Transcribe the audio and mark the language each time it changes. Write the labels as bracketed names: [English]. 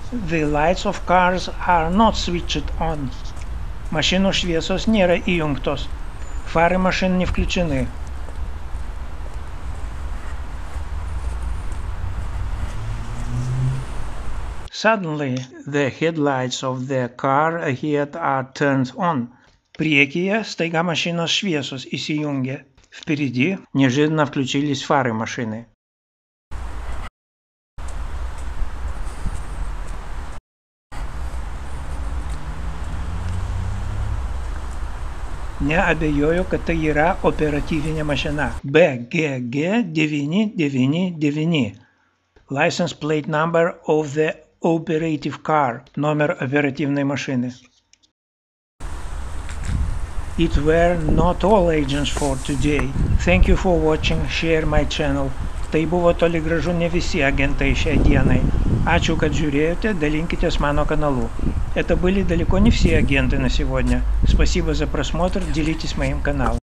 [English] The lights of cars are not switched on. [Lithuanian] Машину швесос нера июнгтос. [Russian] Фары машин не включены. [English] Suddenly, the headlights of the car ahead are turned on. [Lithuanian] Priekyje staiga mašinos šviesos įsijungia. [Russian] Впереди неожиданно включились фары машины. [Lithuanian] Neabejoju, kad tai yra operatyvinė mašina. BGG999. [English] License plate number of the operative car. [Russian] Номер оперативной машины. [English] It were not all agents for today. Thank you for watching. Share my channel. [Lithuanian] Tai buvo toli gražu ne visi agentai šiai dienai. Ačiū, kad žiūrėjote, dalinkitės mano kanalu. [Russian] Это были далеко не все агенты на сегодня. Спасибо за просмотр, делитесь моим каналом.